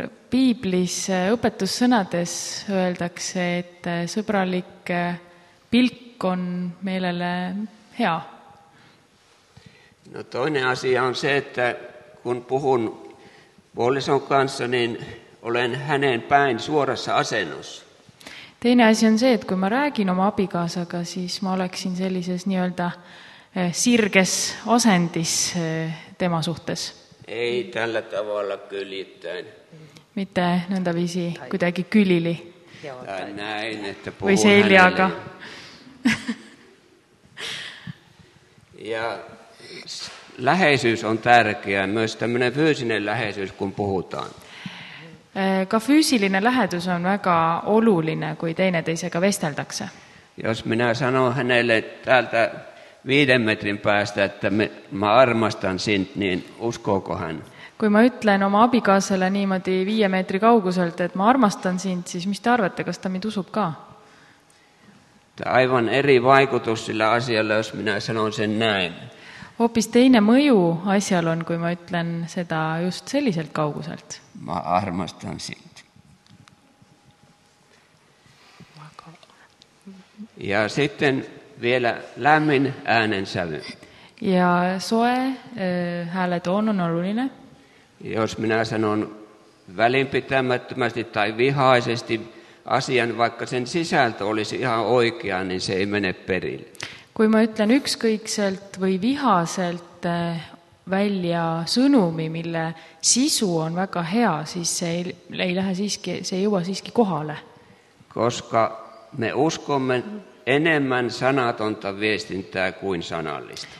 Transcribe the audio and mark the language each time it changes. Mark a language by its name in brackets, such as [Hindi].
[Estonian] Piiblis õpetussõnades öeldakse, et sõbralik pilk on meelele hea. [Finnish] No toinen asia on se, että kun puhun puolison kanssa, niin olen hänen päin suorassa asennossa. [Estonian] Teine asja on see, et kui ma räägin oma abikaasaga, siis ma oleksin sellises nii-öelda sirges asendis tema suhtes. [Finnish] Ei tällä tavalla kyljittäin. [Estonian] Mitte nõnda viisi kuidagi külili. [Finnish] Tai näin, että puhun hänelle. Ja läheisyys on tärkeä, myös tämmöinen fyysinen läheisyys, kun puhutaan. [Estonian] Ka füüsiline lähedus on väga oluline, kui teine teisega vesteldakse. [Finnish] Jos minä sanon hänelle täältä 5 metrin päästä, että [Estonian] ma armastan sind, [Finnish] niin uskooko hän? [Estonian] Kui ma ütlen oma abikaasele niimoodi 5 meetri kauguselt, et ma armastan sind, siis mis te arvate, kas ta mind usub ka? [Finnish] Aivan eri vaikutus sillä asialla, jos minä sanon sen näin. [Estonian] Hoopis teine mõju asjal on, kui ma ütlen seda just selliselt kauguselt. Ma armastan sind. [Finnish] Ja sitten vielä lämmin äänensävy. [Estonian] Ja soe hääletoon on oluline. [Finnish] Jos minä sanon välinpitämättömästi tai vihaisesti asian, vaikka sen sisältö olisi ihan oikea, niin se ei mene perille. [Estonian] Kui ma ütlen ükskõikselt või vihaselt välja sõnumi, mille sisu on väga hea, siis see ei jõua siiski kohale. [Finnish] Koska me uskomme enemmän sanatonta viestintää kuin sanallista.